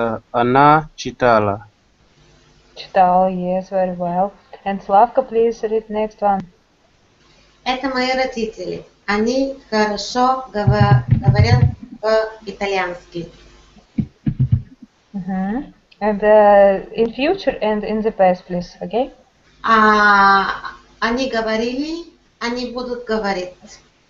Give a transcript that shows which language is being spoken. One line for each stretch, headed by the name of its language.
Russian: Она читала.
English: Читала, yes, very well. And Slavka, please read next one.
Russian: Это мои родители. Они хорошо говорят по-итальянски.
English: And in future and in the past, please, okay?
Russian: Они говорили, они будут говорить.